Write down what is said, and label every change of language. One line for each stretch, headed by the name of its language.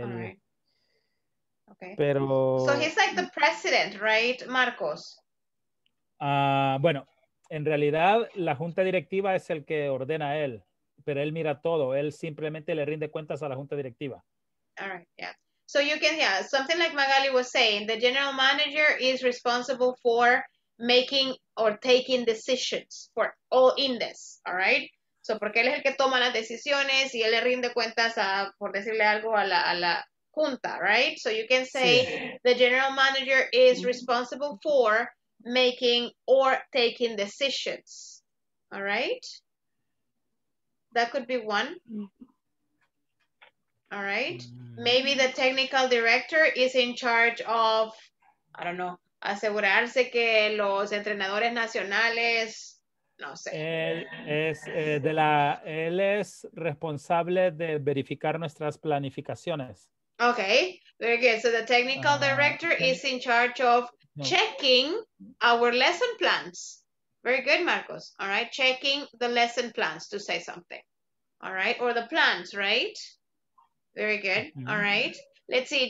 English: right. Okay.
Spanish: Pero.
English: So he's like the president, right, Marcos?
Spanish: Bueno, en realidad la junta directiva es el que ordena a él, pero él mira todo. Él simplemente le rinde cuentas a la junta directiva.
English: All right, yeah. So you can, yeah, something like Magali was saying, the general manager is responsible for making or taking decisions for all in this, all right?
Spanish: So, porque él es el que toma las decisiones y él le rinde cuentas a, por decirle algo, a la junta, right?
English: So you can say, sí. The general manager is responsible for making or taking decisions, all right? That could be one. All right. Maybe the technical director is in charge of, I don't know,
Spanish: asegurarse que los entrenadores nacionales, no sé. Él es, él es responsable de verificar nuestras planificaciones.
English: Okay, very good. So the technical director is in charge of checking our lesson plans. Very good, Marcos. All right, checking the lesson plans to say something. All right, or the plans, right? Very good. All right. Let's see.